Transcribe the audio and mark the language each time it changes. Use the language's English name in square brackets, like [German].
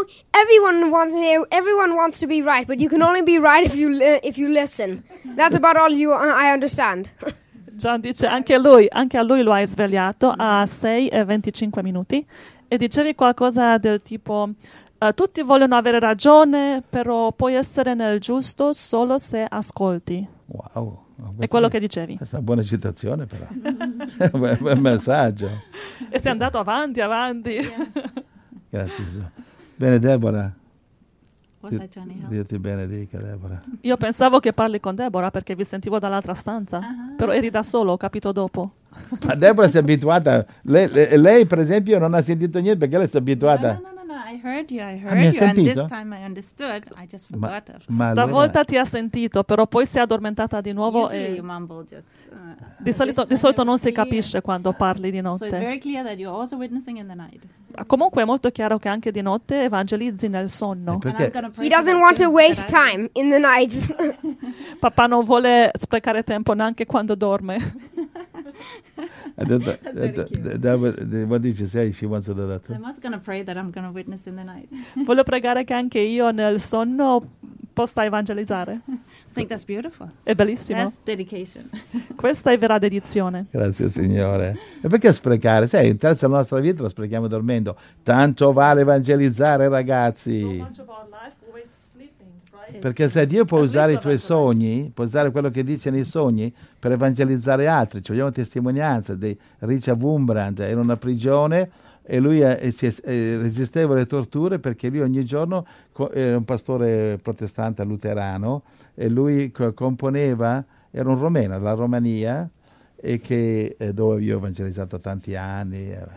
[English] Everyone wants to be right, but you can only be right if you listen. That's about all I understand. [Italian] John dice anche a lui lo hai svegliato a 6:25 minuti e dicevi qualcosa del tipo tutti vogliono avere ragione, però puoi essere nel giusto solo se ascolti. [English] Wow. [Italian] È quello che dicevi. È una buona citazione, però. È un bel messaggio. E sei andato avanti. Yeah. Grazie. Bene, Deborah. Dio ti benedica, Deborah. Io pensavo che parli con Deborah perché vi sentivo dall'altra stanza, però eri da solo, ho capito dopo. Ma Deborah si è abituata. Lei, per esempio, non ha sentito niente perché lei si è abituata. [English] I heard you, and this time I understood. I just forgot. [Italian] Stavolta ti ha sentito, però poi si è addormentata di nuovo. [English] Usually you mumble just. [Italian] Di solito non si capisce quando parli di notte. [English] So it's very clear that you're also witnessing in the night. [Italian] Ma comunque è molto chiaro che anche di notte evangelizzi nel sonno. [English] He doesn't want to waste time in the night. [Italian] Papà non vuole sprecare tempo neanche quando dorme. [English] What did you say? She wants to do that too. I'm also going to pray that I'm going to witness in the night. [Italian] Voglio pregare che anche io nel sonno possa evangelizzare. [English] I think that's beautiful. [Italian] È bellissimo. [English] That's dedication. [Italian] Questa è vera dedizione. Grazie, Signore. E perché sprecare? Sai, in terza della nostra vita la sprechiamo dormendo. Tanto vale evangelizzare, ragazzi. [English] So much of our life always sleeping, right? [Italian] Perché se Dio può usare i tuoi sogni, può usare quello che dice nei sogni per evangelizzare altri. Ci vogliamo testimonianza di Richard Wurmbrand. Era una prigione e lui resisteva alle torture perché lui ogni giorno era un pastore protestante luterano e lui componeva, era un romeno della Romania e che dove io ho evangelizzato tanti anni